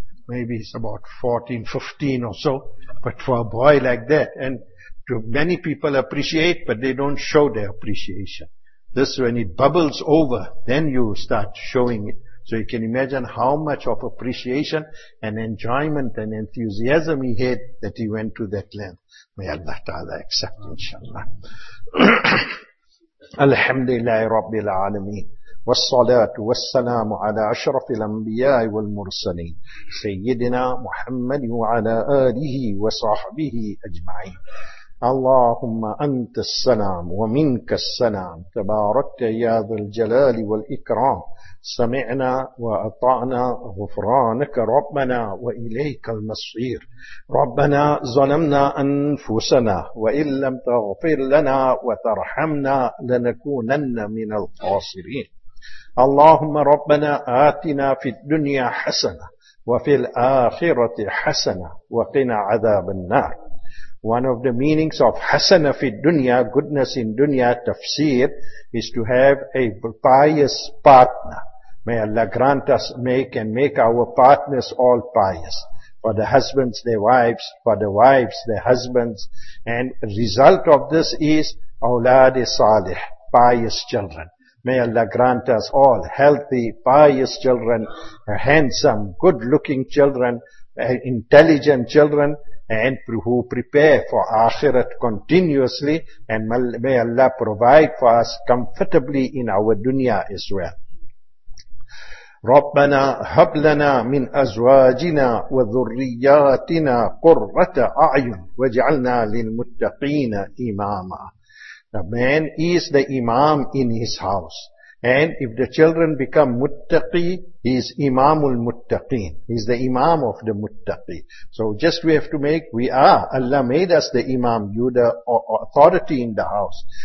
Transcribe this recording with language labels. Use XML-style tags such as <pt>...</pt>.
<en>Maybe he's about 14, 15 or so, but for a boy like that, and to many people appreciate, but they don't show their appreciation. This, when it bubbles over, then you start showing it. So you can imagine how much of appreciation and enjoyment and enthusiasm he had that he went to that length. May Allah Ta'ala accept, inshallah.</en> <ar>الحمد لله رب العالمين والصلاة والسلام على أشرف الأنبياء والمرسلين سيدنا محمد وعلى آله وصحبه أجمعين اللهم أنت السلام ومنك السلام تباركت يا ذا الجلال والإكرام سمعنا وأطعنا غفرانك ربنا وإليك المصير ربنا ظلمنا أنفسنا وإن لم تغفر لنا وترحمنا لنكونن من الخاسرين اللهم ربنا آتنا في الدنيا حسنة وفي الآخرة حسنة وقنا عذاب النار.</ar> <en>One of the meanings of hasana fi dunya, goodness in dunya, tafsir, is to have a pious partner. May Allah grant us, make and make our partners all pious. For the husbands, their wives, for the wives, their husbands. And result of this is awlad salih, pious children. May Allah grant us all healthy, pious children, handsome, good-looking children, intelligent children, and who prepare for akhirat continuously. And may Allah provide for us comfortably in our dunya as well.</en> <ar>ربنا هب لنا من أزواجنا وذرياتنا قرة أعين واجعلنا للمتقين إماما.</ar> <en>The man is the imam in his house. And if the children become muttaqi, He is Imamul Muttaqeen. He is the Imam of the Muttaqeen. So just we have to make, we are, Allah made us the Imam, you the authority in the house.</en>